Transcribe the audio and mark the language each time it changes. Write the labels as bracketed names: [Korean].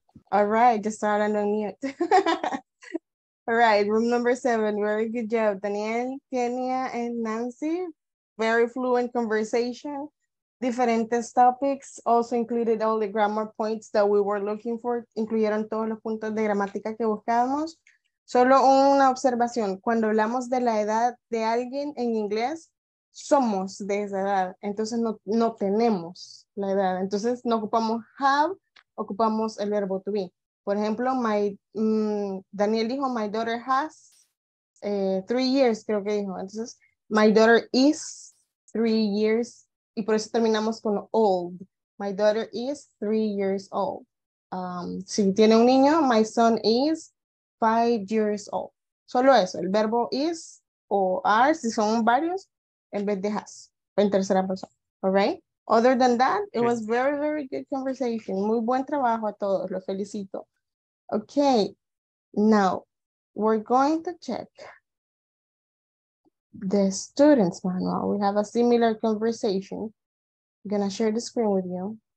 [English] All right, just started on mute. All right, room number 7. Very good job, Daniel, Kenya, and Nancy. Very fluent conversation. Diferentes topics also included all the grammar points that we were looking for. [Spanish] Incluyeron todos los puntos de gramática que buscábamos. Solo una observación. Cuando hablamos de la edad de alguien en inglés, somos de esa edad. Entonces no tenemos la edad. Entonces no ocupamos have, ocupamos el verbo to be. Por ejemplo, Daniel dijo, [English] my daughter has 3 years, [Spanish] creo que dijo. [English] Entonces, my daughter is 3 years. [Spanish] Y por eso terminamos con [English] old. My daughter is 3 years old. [Spanish] Si tiene un niño, [English] my son is 5 years old. [Spanish] Solo eso, el verbo is o are, si son varios, en vez de has, en tercera persona. [English] All right? Other than that, it was very, very good conversation. [Spanish] Muy buen trabajo a todos, los felicito. [English] Okay, now we're going to check the student's manual. We have a similar conversation. I'm gonna share the screen with you.